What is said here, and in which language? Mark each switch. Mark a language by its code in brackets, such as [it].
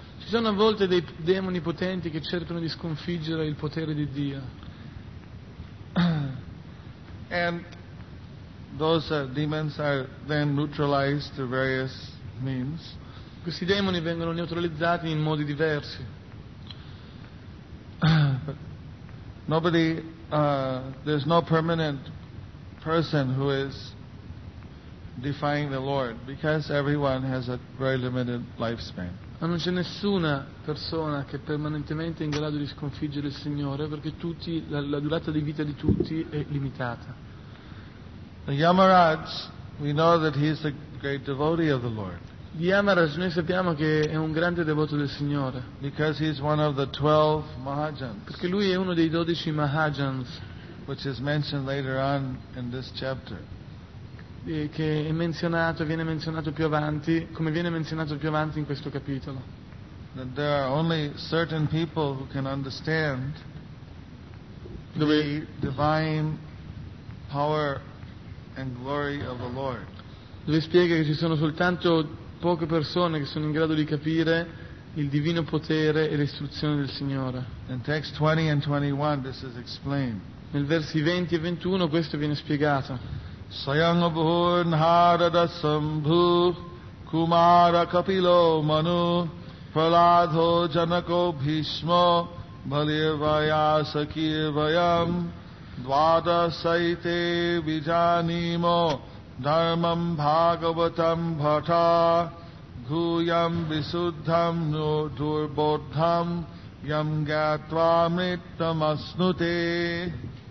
[it] Ci sono a volte dei demoni potenti che cercano di sconfiggere il potere di Dio. [en] And those demons are then neutralized through various means. [it] Questi demoni vengono neutralizzati in modi diversi. [en] Nobody, there's no permanent person who is defying the Lord because everyone has a very limited lifespan. [it] Ma non c'è nessuna persona che permanentemente è in grado di sconfiggere il Signore perché tutti la durata di vita di tutti è limitata. [en] The Yamaraj, we know that he is a great devotee of the Lord. [it] Yamaraj, noi sappiamo che è un grande devoto del Signore. [en] Because he's one of the 12 Mahajans. [it] Perché lui è uno dei 12 Mahajans. [en] Which is mentioned later on in this chapter. [it] Che è menzionato, viene menzionato più avanti, come viene menzionato più avanti in questo capitolo. [en] That there are only certain people who can understand the divine power and glory of the Lord. [it] Dove spiega che ci sono soltanto poche persone che sono in grado di capire il divino potere e l'istruzione del Signore. [en] In text 20 and 21 this is explained. [it] Nel versi 20 e 21 questo viene spiegato. [sa] Sayang bhur narada sambhu kumara kapilo manu pralado janako bhishma balivayasakivayam dvada saite vijanimo dharmam bhagavatam bhata guyam visuddham no durbodham yam gatva mrittam asnute.